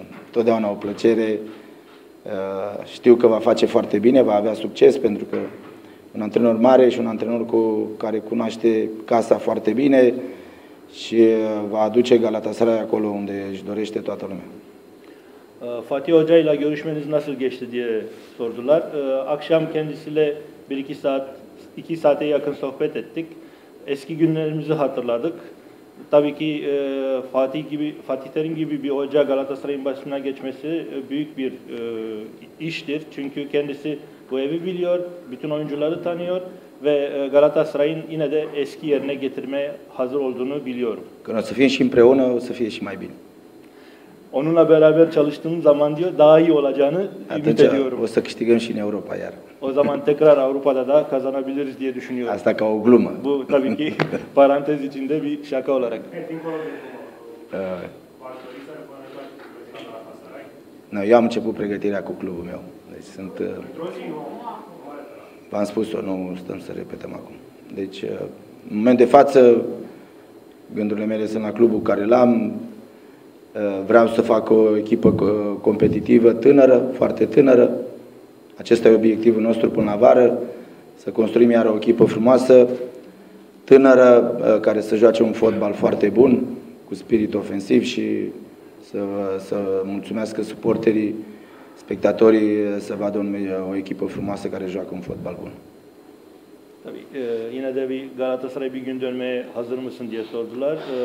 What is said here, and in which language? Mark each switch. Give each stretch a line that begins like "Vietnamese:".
Romanian: Totdeauna o plăcere. Știu că va face foarte bine, va avea succes, pentru că un antrenor mare și un antrenor cu care cunoaște casa foarte bine și va aduce Galatasaray acolo unde își dorește toată lumea.
Turkish: Fatih Hoca ile görüşmeniz nasıl geçti diye sordular. Akşam kendisiyle 1-2 saat, 2 saate yakın sohbet ettik. Eski günlerimizi hatırladık. Tabii ki Fatih Terim gibi bir hoca Galatasaray'ın başına geçmesi büyük bir iştir. Çünkü kendisi bu evi biliyor, bütün oyuncuları tanıyor ve Galatasaray'ın yine de eski yerine getirmeye hazır olduğunu biliyorum.
Romanian: Când o să fim și împreună, o să fie și mai bine.
Turkish: Onunla beraber çalıştığım zaman diyor, daha iyi olacağını ümit ediyorum.
Romanian: O să câștigăm și în Europa iar.
Turkish: O zaman tekrar Avrupa'da da kazanabiliriz diye düşünüyorum.
Romanian: Asta ca o glumă.
Turkish: Bu tabii ki parantez içinde bir şaka olarak.
Romanian: No, eu am început pregătirea cu clubul meu. Deci sunt... V-am spus-o, nu stăm să repetăm acum. Deci, în momentul de față, gândurile mele sunt la clubul care l-am. Vreau să fac o echipă competitivă, tânără, foarte tânără. Acesta e obiectivul nostru până la vară, să construim iar o echipă frumoasă, tânără, care să joace un fotbal foarte bun, cu spirit ofensiv, și să mulțumească suporterii, spectatorii, să vadă o echipă frumoasă care joacă un fotbal bun.
Turkish: Tabii, yine de bir Galatasaray bir gün dönmeye hazır mısın diye sordular.